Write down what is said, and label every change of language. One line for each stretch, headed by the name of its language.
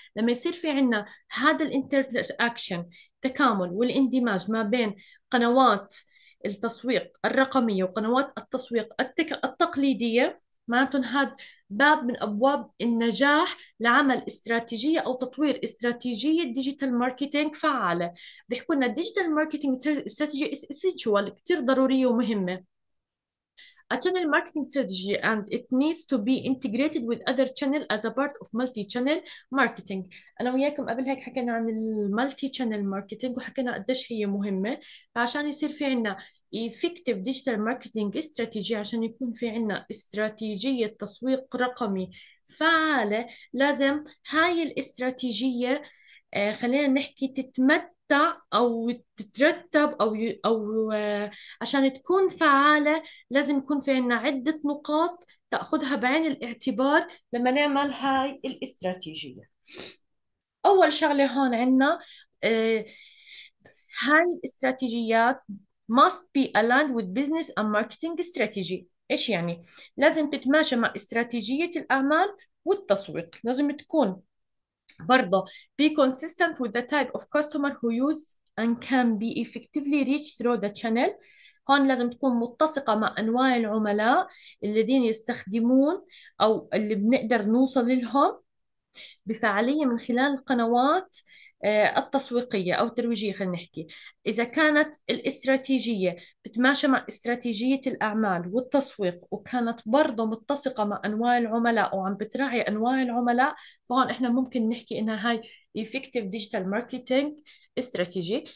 Arabic: لما يصير في عندنا هذا الانتر اكشن، التكامل والاندماج ما بين قنوات التسويق الرقمية وقنوات التسويق التقليدية، معناته هذا باب من أبواب النجاح لعمل استراتيجية أو تطوير استراتيجية ديجيتال ماركتينج فعالة. بيحكوا لنا الديجيتال ماركتينج استراتيجي
English: is essential،
Arabic: كتير ضرورية ومهمة.
English: A channel marketing strategy and it needs to be integrated with other channel as a part of multi-channel marketing.
Arabic: أنا وياكم قبل هيك حكينا عن المالتي-channel marketing وحكينا قديش هي مهمة. فعشان يصير في عنا
English: effective digital marketing strategy،
Arabic: عشان يكون في عنا استراتيجية تسويق رقمي فعالة، لازم هاي الاستراتيجية خلينا نحكي تتمتع او تترتب او عشان تكون فعالة، لازم يكون في عنا عدة نقاط تأخذها بعين الاعتبار لما نعمل هاي الاستراتيجية. اول شغلة هون عنا هاي الاستراتيجيات
English: must be aligned with business and marketing strategy.
Arabic: ايش يعني؟ لازم تتماشى مع استراتيجية الاعمال والتسويق، لازم تكون برضه
English: be consistent with the type of customer who use and can be effectively reached through the channel.
Arabic: هون لازم تكون متسقة مع أنواع العملاء الذين يستخدمون أو اللي بنقدر نوصل لهم بفعالية من خلال القنوات التسويقية أو الترويجية. خلينا نحكي إذا كانت الاستراتيجية بتماشى مع استراتيجية الأعمال والتسويق، وكانت برضه متسقة مع أنواع العملاء وعم بتراعي أنواع العملاء، فهون إحنا ممكن نحكي إنها هاي
English: effective digital marketing
Arabic: استراتيجي.